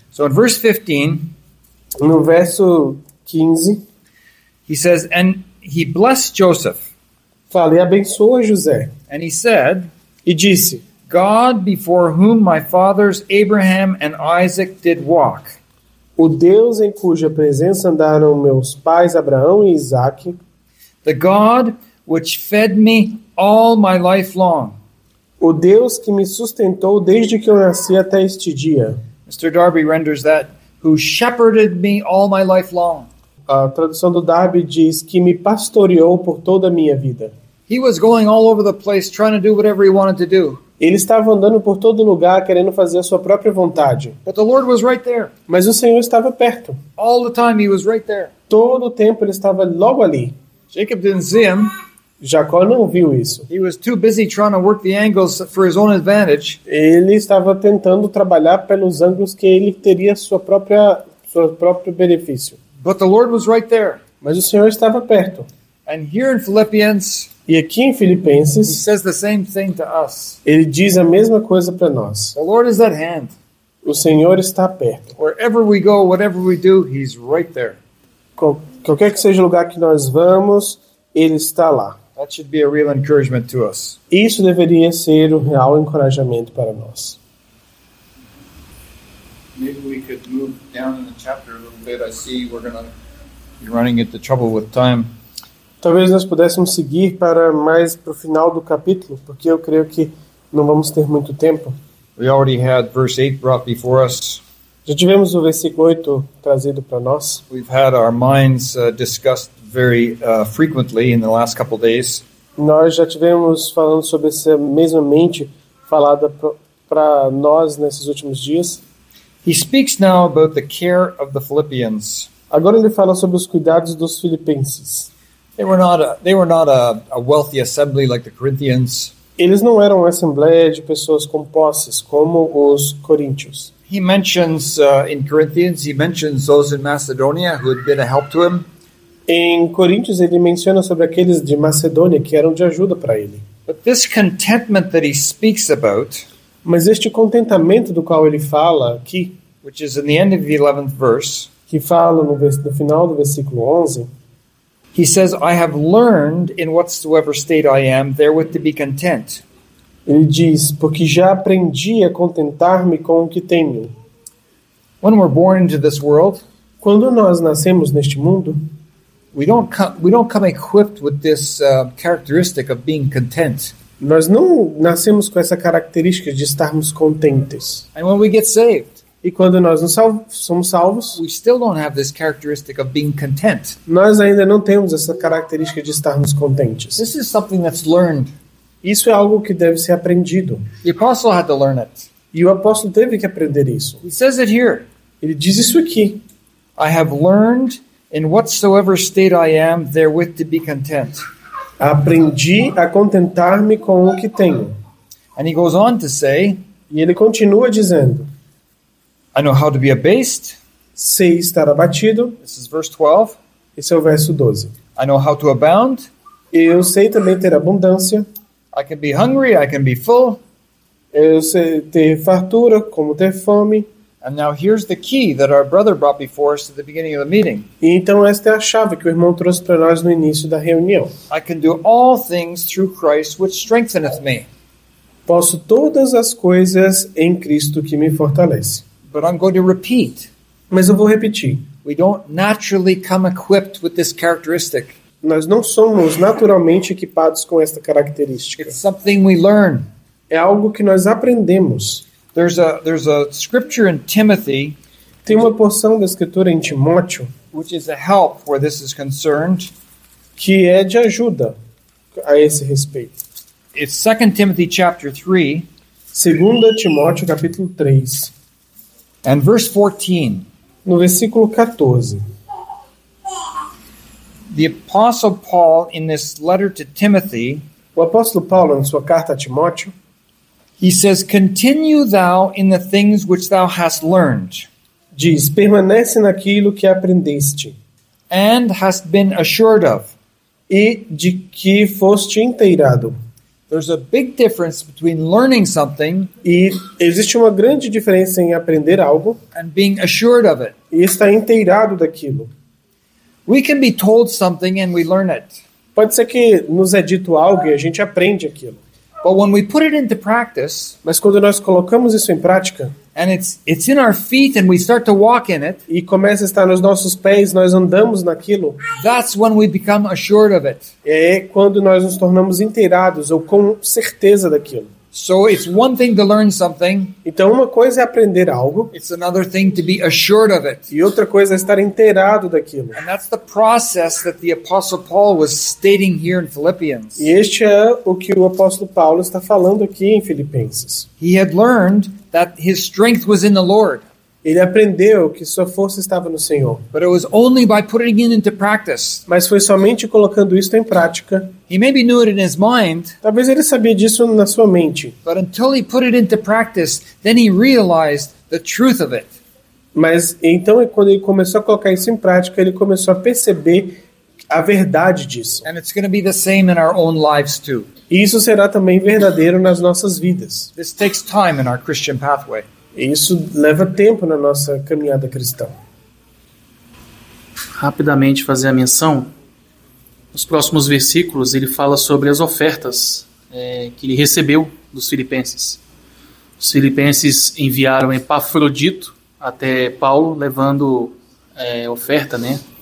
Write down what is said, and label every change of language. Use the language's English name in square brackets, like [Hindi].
[English] So in verse 15, [Portuguese] no verso 15, [English] he says, and he blessed Joseph. [Portuguese] Fala, e abençoa José. [English] And he said, [Portuguese] e disse, [English] God before whom my fathers Abraham and Isaac did walk. [Portuguese] O Deus em cuja presença andaram meus pais Abraão e Isaac. [English] The God which fed me all my life long. [Portuguese] O Deus que me sustentou desde que eu nasci até este dia. [English] Mr. Darby renders that, who shepherded me all my life long. [Portuguese] A tradução do Darby diz que me pastoreou por toda a minha vida. [English] He was going all over the place trying to do whatever he wanted to do. [Portuguese] Ele estava andando por todo lugar querendo fazer a sua própria vontade. [English] But the Lord was right there. [Portuguese] Mas o Senhor estava perto. [English] All the time he was right there. [Portuguese] Todo o tempo ele estava logo ali. [English] Jacob didn't see him. [Portuguese] Jacó não viu isso. [English] He was too busy trying to work the angles for his own advantage. [Portuguese] Ele estava tentando trabalhar pelos ângulos que ele teria seu próprio benefício. [English] But the Lord was right there. [Portuguese] Mas o Senhor estava perto. [English] And here in Philippians, [Portuguese] e aqui em Filipenses, [English] he says the same thing to us. [Portuguese] Ele diz a mesma coisa para nós. [English] The Lord is at hand. [Portuguese] O Senhor está perto. [English] Wherever we go, whatever we do, he's right there. [Portuguese] Qualquer que seja o lugar que nós vamos, ele está lá. [English] That should be a real encouragement to us. [Portuguese] Isso deveria ser um real encorajamento para nós. [English] Maybe we could move down in the chapter a little bit. I see we're going to be running into trouble with time. [Portuguese] Talvez nós pudéssemos seguir para mais para o final do capítulo, porque eu creio que não vamos ter muito tempo. [English] We already had verse 8 brought before us. [Portuguese] Já tivemos o versículo 8 trazido para nós. [English] We've had our minds discussed very frequently in the last couple days. [Portuguese] Nós já tivemos falando sobre essa mesma mente falada para nós nesses últimos dias. [English] He speaks now about the care of the Philippians. [Portuguese] Agora ele fala sobre os cuidados dos filipenses. [English] They were not a wealthy assembly like the Corinthians. [Portuguese] Eles não eram uma assembleia de pessoas com posses como os coríntios. [English] He mentions in Corinthians, he mentions those in Macedonia who had been a help to him. [Portuguese] Em Coríntios ele menciona sobre aqueles de Macedônia que eram de ajuda para ele. [English] But this contentment that he speaks about, [Portuguese] mas este contentamento do qual ele fala aqui, [English] which is in the end of the 11th verse, [Portuguese] que fala no final do versículo 11, [English] he says, I have learned in whatsoever state I am, therewith to be content. [Portuguese] Ele diz, porque já aprendi a contentar-me com o que tenho. [English] When we're born into this world, [Portuguese] quando nós nascemos neste mundo, [English] we don't come equipped with this characteristic of being content. [Portuguese] Nós não nascemos com essa característica de estarmos contentes. [English] And when we get saved, [Portuguese] e quando nós somos salvos, [English] we still don't have this characteristic of being content. [Portuguese] Nós ainda não temos essa característica de estarmos contentes. [English] This is something that's learned. [Portuguese] Isso é algo que deve ser aprendido. [English] The apostle had to learn it. [Portuguese] E o apóstolo teve que aprender isso. [English] He says it here. [Portuguese] Ele diz isso aqui. [English] I have learned in whatsoever state I am therewith to be content. [Portuguese] Aprendi a contentar-me com o que tenho. [English] And he goes on to say, [Portuguese] e ele continua dizendo, [English] I know how to be abased. [Portuguese] Sei estar abatido. [English] This is verse 12. [Portuguese] Esse é o verso 12. [English] I know how to abound. [Portuguese] Eu sei também ter abundância. [English] I can be hungry, I can be full. [Portuguese] Eu sei ter fartura, como ter fome. [English] And now here's the key that our brother brought before us at the beginning of the meeting. [Portuguese] E então esta é a chave que o irmão trouxe para nós no início da reunião. [English] I can do all things through Christ which strengtheneth me. [Portuguese] Posso todas as coisas em Cristo que me fortalece. [English] But I'm going to repeat. [Portuguese] Mas eu vou repetir. [English] We don't naturally come equipped with this characteristic. [Portuguese] Nós não somos naturalmente equipados com esta característica. [English] It's something we learn. [Portuguese] É algo que nós aprendemos. [English] There's a scripture in Timothy. [Portuguese] Tem uma porção da escritura em Timóteo, [English] which is a help where this is concerned, [Portuguese] que é de ajuda a esse respeito. [English] It's 2 Timothy chapter 3, [Portuguese] 2 Timóteo capítulo 3, [English] and verse 14. [Portuguese] No versículo 14. [English] The apostle Paul in this letter to Timothy, [Portuguese] o apóstolo Paulo em sua carta a Timóteo, [English] he says, "Continue thou in the things which thou hast learned." [Portuguese] Diz, permanece naquilo que aprendeste. [English] And hast been assured of. [Portuguese] E de que foste inteirado. [English] There's a big difference between learning something [Portuguese] e existe uma grande diferença em aprender algo [English] and being assured of it. [Portuguese] E estar inteirado daquilo. [English] We can be told something and we learn it. [Portuguese] Pode ser que nos é dito algo e a gente aprende aquilo. [English] But when we put it into practice, [Portuguese] mas quando nós colocamos isso em prática, [English] and it's in our feet and we start to walk in it, [Portuguese] e começa a estar nos nossos pés, nós andamos naquilo, [English] that's when we become assured of it. [Portuguese] É quando nós nos tornamos inteirados ou com certeza daquilo. [English] So it's one thing to learn something. [Portuguese] Então uma coisa é aprender algo. [English] It's another thing to be assured of it. [Portuguese] E outra coisa é estar inteirado daquilo. [English] And that's the process that the Apostle Paul was stating here in Philippians. [Portuguese] E este é o que o apóstolo Paulo está falando aqui em Filipenses. [English] He had learned that his strength was in the Lord. [Portuguese] Ele aprendeu que sua força estava no Senhor. [English] But it was only by putting it into practice. [Portuguese] Mas foi somente colocando isso em prática. [English] He maybe knew it in his mind. [Portuguese] Talvez ele sabia disso na sua mente. [English] But until he put it into practice, then he realized the truth of it. [Portuguese] Mas então quando ele começou a colocar isso em prática, ele começou a perceber a verdade disso. [English] And it's going to be the same in our own lives too. [Portuguese] E isso será também verdadeiro nas nossas vidas. [English] This takes time in our Christian pathway. [Portuguese] Isso leva tempo na nossa caminhada cristã. Rapidamente fazer a menção. Nos próximos versículos, ele fala sobre as ofertas que ele recebeu dos filipenses. Os filipenses enviaram Epafrodito até Paulo, levando oferta, né?